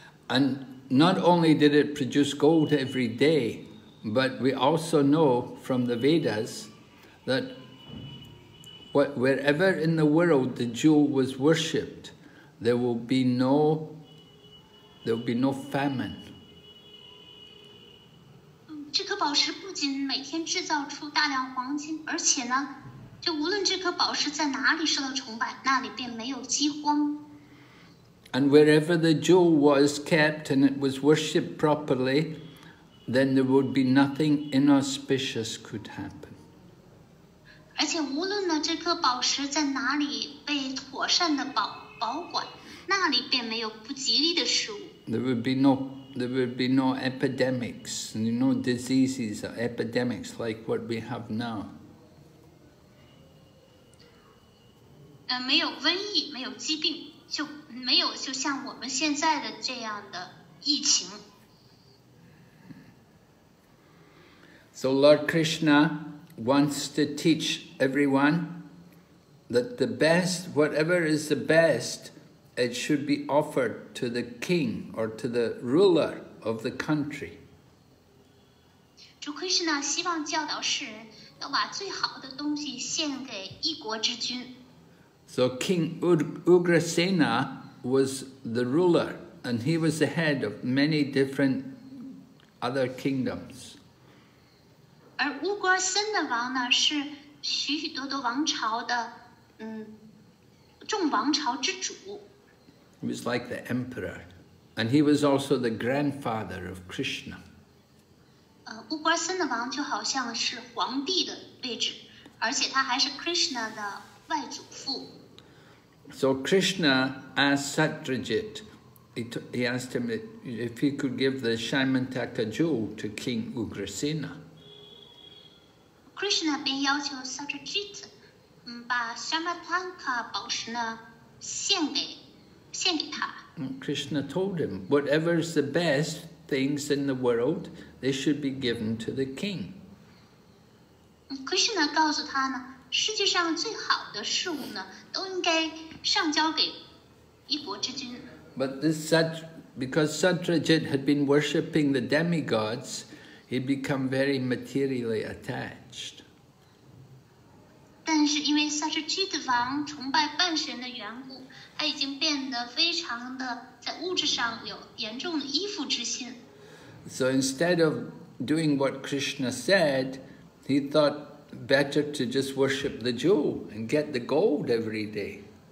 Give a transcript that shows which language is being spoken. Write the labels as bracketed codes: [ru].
[en] And not only did it produce gold every day, but we also know from the Vedas that wherever in the world the jewel was worshipped, there will be no famine. [zh] 这颗宝石不仅每天制造出大量黄金，而且呢，就无论这颗宝石在哪里受到崇拜，那里便没有饥荒。 [en] And wherever the jewel was kept and it was worshipped properly, then there would be nothing inauspicious could happen. [zh] 而且无论呢这颗宝石在哪里被妥善的保管，那里便没有不吉利的事物。 [en] There would be no epidemics, no diseases or epidemics like what we have now. [zh] 没有瘟疫，没有疾病，就没有就像我们现在的这样的疫情。 [en] So Lord Krishna wants to teach everyone that the best, whatever is the best, it should be offered to the king or to the ruler of the country. [zh] 主 Krishna 希望教导世人要把最好的东西献给一国之君。 [en] So King Ugrasena was the ruler, and he was the head of many different other kingdoms. [zh] 而乌格森的王呢，是许许多多王朝的，众王朝之主。 [en] He was like the emperor, and he was also the grandfather of Krishna. [zh] 乌格森的王就好像是皇帝的位置，而且他还是 Krishna 的外祖父。 [en] So Krishna asked Satyajit, he asked him if he could give the Syamantaka jewel to King Ugrasena. [zh] Krishna 便要求 Satyajit, 把 Syamantaka 宝石呢献给他。 [en] Krishna told him, whatever is the best things in the world, they should be given to the king. [zh] Krishna 告诉他呢，世界上最好的事物呢，都应该上交给一国之君。 [en] But this because Satyajit had been worshipping the demigods, he'd become very materially attached. [zh] 但是因为 Satyajit 王崇拜半神的缘故，他已经变得非常的在物质上有严重的依附之心。 [en] So instead of doing what Krishna said, he thought better to just worship the jewel and get the gold every day.